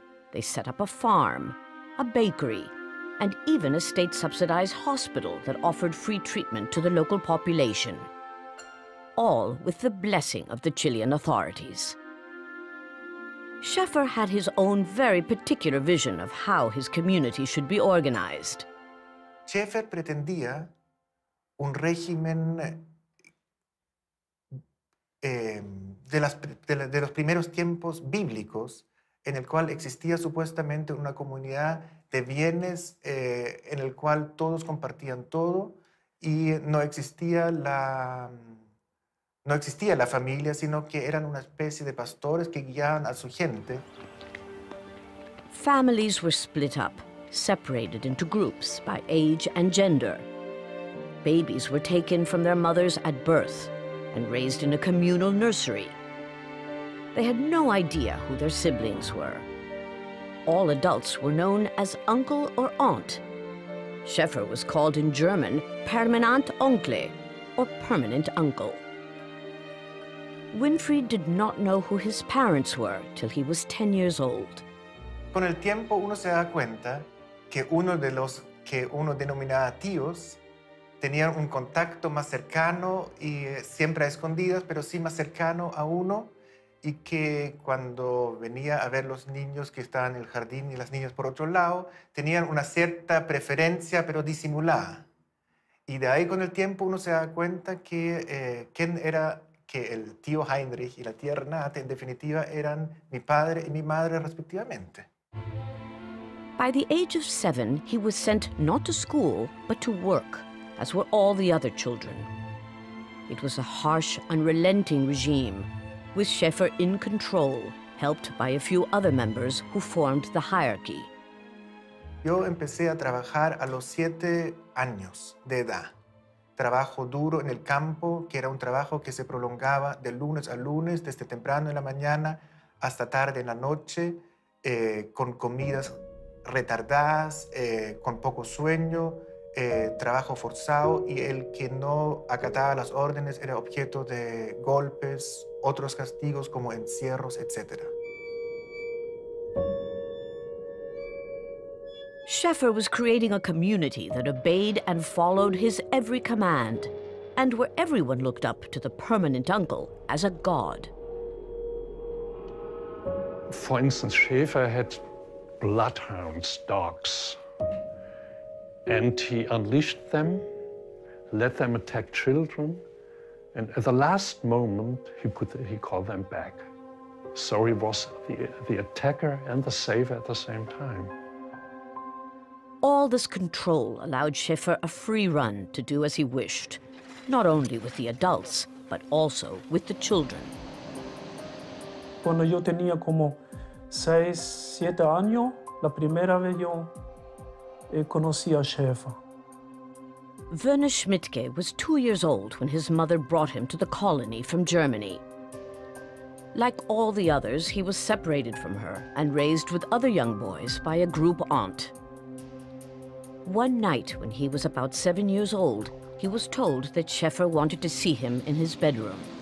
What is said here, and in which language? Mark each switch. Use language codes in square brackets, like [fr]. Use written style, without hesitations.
[en] They set up a farm, a bakery, and even a state-subsidized hospital that offered free treatment to the local population, all with the blessing of the Chilean authorities. Schaefer had his own very particular vision of how his community should be organized. [es] Schaefer pretendía un régimen de los primeros tiempos bíblicos, en el cual existía supuestamente una comunidad de bienes en el cual todos compartían todo y no existía la familia, sino que eran una especie de pastores que guiaban a su gente. [en] Families were split up, separated into groups by age and gender. Babies were taken from their mothers at birth and raised in a communal nursery. They had no idea who their siblings were. All adults were known as uncle or aunt. Schaefer was called in German permanent oncle, or permanent uncle. Winfried did not know who his parents were till he was 10 years old. [es] Con el tiempo uno se da cuenta que uno de los que uno denominaba tíos tenían un contacto más cercano y siempre a escondidas, pero sí más cercano a uno, y que cuando venía a ver los niños que estaban en el jardín y las niñas por otro lado, tenían una cierta preferencia, pero disimulada. Y de ahí con el tiempo uno se da cuenta que quién era, que el tío Heinrich y la tía Renate, en definitiva, eran mi padre y mi madre respectivamente. [en] By the age of 7, he was sent not to school, but to work, as were all the other children. It was a harsh, unrelenting regime, with Schaefer in control, helped by a few other members who formed the hierarchy. [es] Yo empecé a trabajar a los 7 años de edad. Trabajo duro en el campo, que era un trabajo que se prolongaba de lunes a lunes, desde temprano en la mañana hasta tarde en la noche, con comidas retardadas, con poco sueño, trabajo forzado, y el que no acataba las órdenes era objeto de golpes, otros castigos como encierros, etc. [en] Schaefer was creating a community that obeyed and followed his every command, and where everyone looked up to the permanent uncle as a god. For instance, Schaefer had bloodhounds, dogs, and he unleashed them, let them attack children, and at the last moment he called them back. So he was the attacker and the saver at the same time. All this control allowed Schaefer a free run to do as he wished, not only with the adults, but also with the children. [es] Cuando yo tenía como 6-7 años, la primera vez yo conocí a Schaefer. [en] Werner Schmidtke was 2 years old when his mother brought him to the colony from Germany. Like all the others, he was separated from her and raised with other young boys by a group aunt. One night, when he was about 7 years old, he was told that Schaefer wanted to see him in his bedroom.